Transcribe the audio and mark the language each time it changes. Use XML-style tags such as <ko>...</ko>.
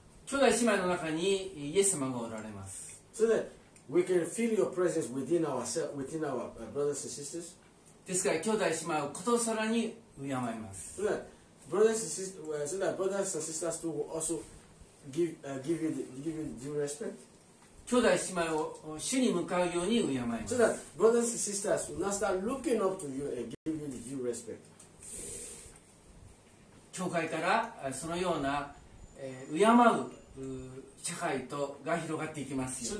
<ja>兄弟姉妹の中にイエス様がおられます。</ja> <en>So that We can feel your presence within ourselves, within our brothers and sisters.</en> <ja>ですから兄弟姉妹をことさらに敬います。</ja> <en>So that brothers and sisters will also give you due respect.</en> <ja>兄弟姉妹を主に向かうように敬います。</ja> <en>So that brothers and sisters will not start looking up to you and give you the due respect.</en> <ja>教会からそのような敬う社会とが広がっていきますよ。</ja>